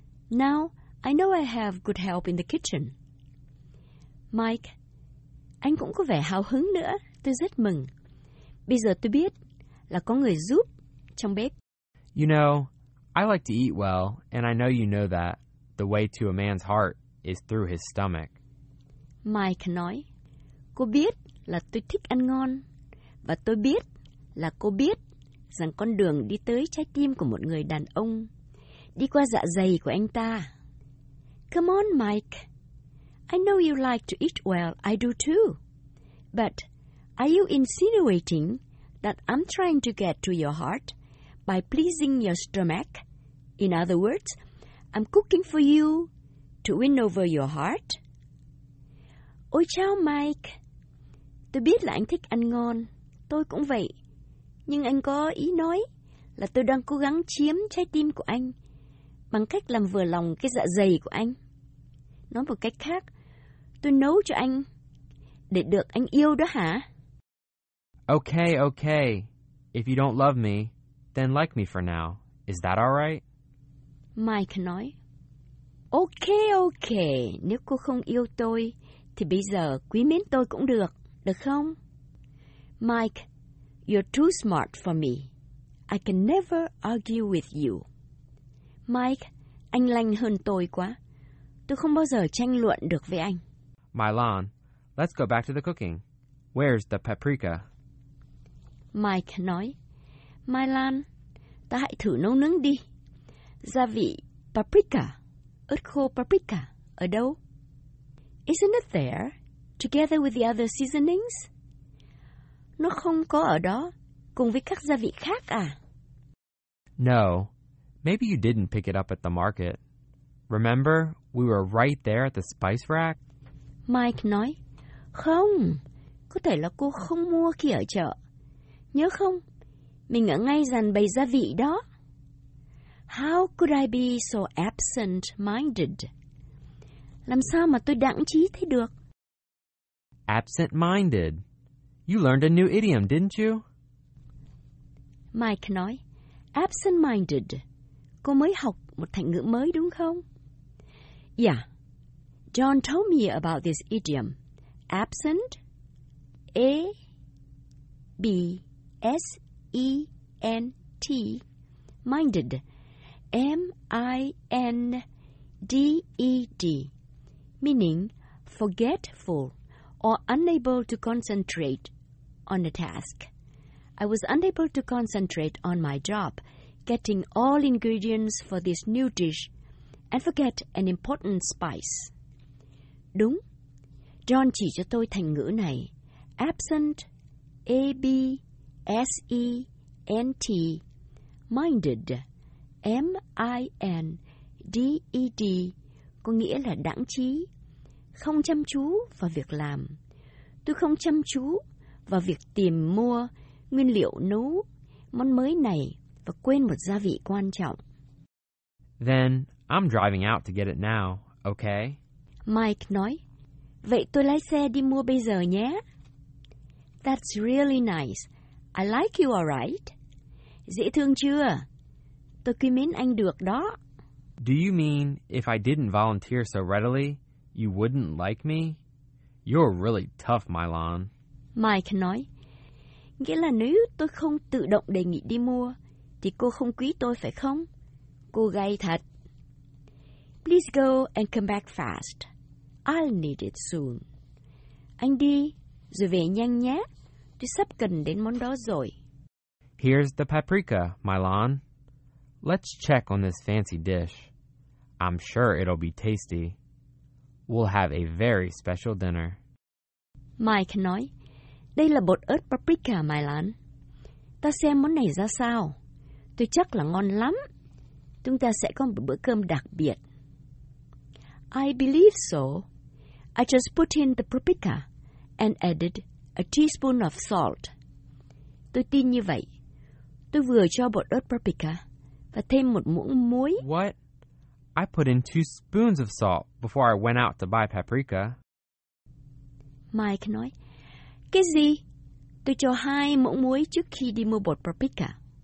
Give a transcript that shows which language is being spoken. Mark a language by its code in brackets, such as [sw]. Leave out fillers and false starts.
[en] Now, I know I have good help in the kitchen. [vi] Mike, anh cũng có vẻ hào hứng nữa, tôi rất mừng. Bây giờ tôi biết là có người giúp trong bếp. [en] You know, I like to eat well, and I know you know that. The way to a man's heart is through his stomach. [vi] Mike nói, cô biết là tôi thích ăn ngon, và tôi biết là cô biết rằng con đường đi tới trái tim của một người đàn ông đi qua dạ dày của anh ta. [en] Come on, Mike. I know you like to eat well, I do too. But are you insinuating that I'm trying to get to your heart by pleasing your stomach? In other words, I'm cooking for you to win over your heart. [vi] Ôi chào Mike. Tôi biết là anh thích ăn ngon. Tôi cũng vậy. Nhưng anh có ý nói là tôi đang cố gắng chiếm trái tim của anh bằng cách làm vừa lòng cái dạ dày của anh. Nói một cách khác, tôi nấu cho anh để được anh yêu đó hả? [en] Okay, okay. If you don't love me, then like me for now. Is that all right? [vi] Mike nói, okay, okay, nếu cô không yêu tôi, thì bây giờ quý mến tôi cũng được, được không? [en] Mike, you're too smart for me. I can never argue with you. [vi] Mike, anh lanh hơn tôi quá. Tôi không bao giờ tranh luận được với anh. [en] Mylon, let's go back to the cooking. Where's the paprika? [vi] Mike nói, Mylon, ta hãy thử nấu nướng đi. Gia vị paprika, ớt khô paprika, ở đâu? [en] Isn't it there, together with the other seasonings? [vi] Nó không có ở đó, cùng với các gia vị khác à? [en] No, maybe you didn't pick it up at the market. Remember, we were right there at the spice rack? [vi] Mike nói, không, có thể là cô không mua khi ở chợ. Nhớ không, mình ở ngay dàn bày gia vị đó. [en] How could I be so absent-minded? [vi] Làm sao mà tôi đãng trí thế được? [en] Absent-minded. You learned a new idiom, didn't you? [vi] Mike nói, absent-minded. Cô mới học một thành ngữ mới đúng không? [en] Yeah. John told me about this idiom. Absent. A-B-S-E-N-T. Minded. M-I-N-D-E-D, meaning forgetful or unable to concentrate on a task. I was unable to concentrate on my job, getting all ingredients for this new dish, and forget an important spice. [vi] Đúng. John chỉ cho tôi thành ngữ này. Absent, absent, minded, minded, có nghĩa là đãng trí, không chăm chú vào việc làm. Tôi không chăm chú vào việc tìm mua nguyên liệu nấu món mới này và quên một gia vị quan trọng. [en] Then, I'm driving out to get it now, okay? [vi] Mike nói, vậy tôi lái xe đi mua bây giờ nhé. [en] That's really nice. I like you, all right? [vi] Dễ thương chưa? Tôi quý mến anh được đó. [en] Do you mean if I didn't volunteer so readily, you wouldn't like me? You're really tough, Mylon. [vi] Mike nói, nghĩa là nếu tôi không tự động đề nghị đi mua, thì cô không quý tôi phải không? Cô gay thật. [en] Please go and come back fast. I'll need it soon. [vi] Anh đi, rồi về nhanh nhé. Tôi sắp cần đến món đó rồi. [en] Here's the paprika, Mylon. Let's check on this fancy dish. I'm sure it'll be tasty. We'll have a very special dinner. [vi] Mike nói, đây là bột ớt paprika, Mylon. Ta xem món này ra sao. Tôi chắc là ngon lắm. Chúng ta sẽ có một bữa cơm đặc biệt. [en] I believe so. I just put in the paprika and added a teaspoon of salt. [vi] Tôi tin như vậy. Tôi vừa cho bột ớt paprika và thêm một muỗng muối. [en] What? I put in 2 spoons of salt before I went out to buy paprika. [vi] Mike nói, cái gì? Tôi cho 2 muỗng muối trước khi đi mua bột paprika.